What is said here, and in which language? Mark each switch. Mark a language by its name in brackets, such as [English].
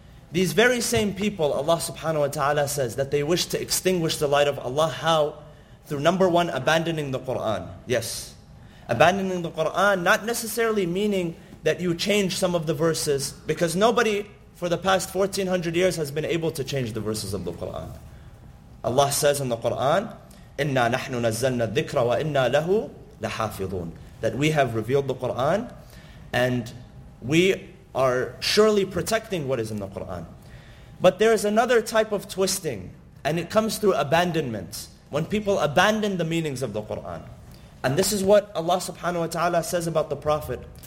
[English] These very same people, Allah subhanahu wa ta'ala says that they wish to extinguish the light of Allah. How? Through number one, abandoning the Qur'an. Yes. Abandoning the Qur'an, not necessarily meaning that you change some of the verses, because nobody for the past 1400 years has been able to change the verses of the Qur'an. Allah says in the Qur'an, [Arabic] إِنَّا نَحْنُ نَزَّلْنَا الذِّكْرَ وَإِنَّا لَهُ لَحَافِظُونَ. [English] That we have revealed the Qur'an, and we are surely protecting what is in the Qur'an. But there is another type of twisting, and it comes through abandonment. When people abandon the meanings of the Qur'an. And this is what Allah subhanahu wa ta'ala says about the Prophet.